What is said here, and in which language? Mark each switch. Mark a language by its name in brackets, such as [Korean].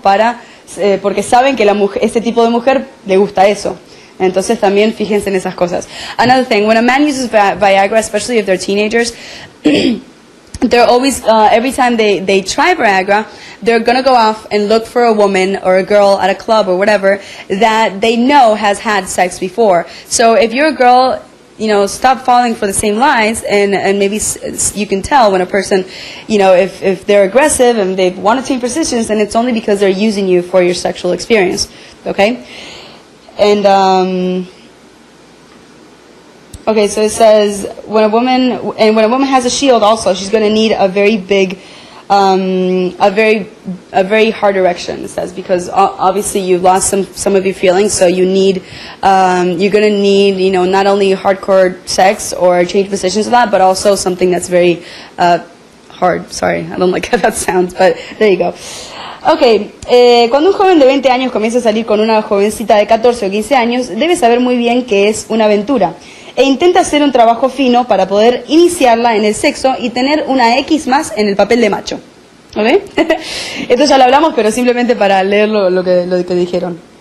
[Spanish] Porque saben que este tipo de mujer le gusta eso. Entonces también fíjense en esas cosas. [English] Another thing, when a man uses Viagra, especially if they're teenagers, they're always, every time they try Viagra, they're going to go off and look for a woman or a girl at a club or whatever that they know has had sex before. So if you're a girl, you know, stop falling for the same lies, and maybe you can tell when a person, you know, if they're aggressive and they want to change positions, then it's only because they're using you for your sexual experience, okay? And, okay, so it says, when a woman has a shield also, she's going to need a very big, a very hard erection, it says, because obviously you've lost some of your feelings, so you need, you're going to need, you know, not only hardcore sex or change positions a lot, but also something that's very hard. Sorry, I don't like how that sounds, but there you go. [Spanish] Ok, cuando un joven de 20 años comienza a salir con una jovencita de 14 o 15 años, debe saber muy bien que es una aventura e intenta hacer un trabajo fino para poder iniciarla en el sexo y tener una X más en el papel de macho. ¿Vale? Esto ya lo hablamos, pero simplemente para leer lo que dijeron.